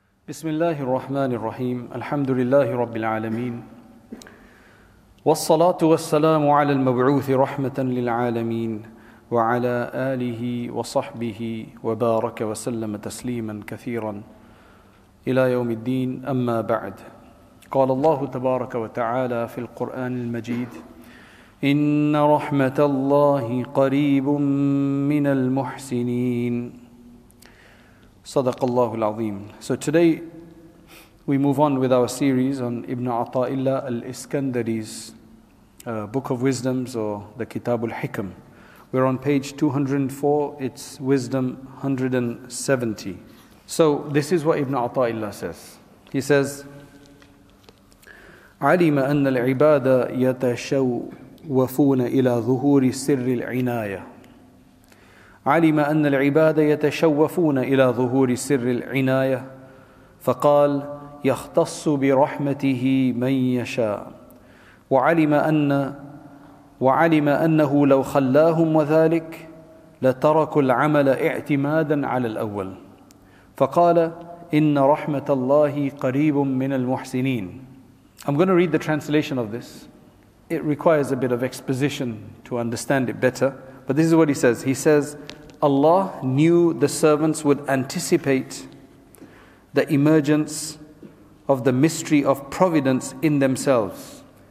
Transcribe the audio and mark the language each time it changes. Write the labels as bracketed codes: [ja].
[ar] بسم الله الرحمن الرحيم الحمد لله رب العالمين والصلاة والسلام على المبعوث رحمة للعالمين وعلى آله وصحبه وبارك وسلم تسليما كثيرا إلى يوم الدين أما بعد قال الله تبارك وتعالى في القرآن المجيد إن رحمة الله قريب من المحسنين صدق الله العظيم. [en] So today we move on with our series on Ibn Ata'illah al-Iskandari's Book of Wisdoms, or the Kitab al-Hikam. We're on page 204, it's Wisdom 170. So this is what Ibn Ata'illah says. He says, [ar] عَلِمَ أَنَّ الْعِبَادَ يَتَشَوَّفُونَ إِلَى ظُهُورِ سِرِّ الْعِنَايَةِ عَلِمَ أَنَّ الْعِبَادَ يَتَشَوَّفُونَ إِلَى ظُهُورِ سِرِّ الْعِنَايَةِ فَقَالْ يختص برحمته من يشاء وعلم أنه لو خلاهم وذلك لتركوا العمل اعتمادا على الأول فقال إن رحمة الله قريب من المحسنين. [en] I'm going to read the translation of this. It requires a bit of exposition to understand it better, but this is what he says. He says, Allah knew the servants would anticipate the emergence of the mystery of providence in themselves.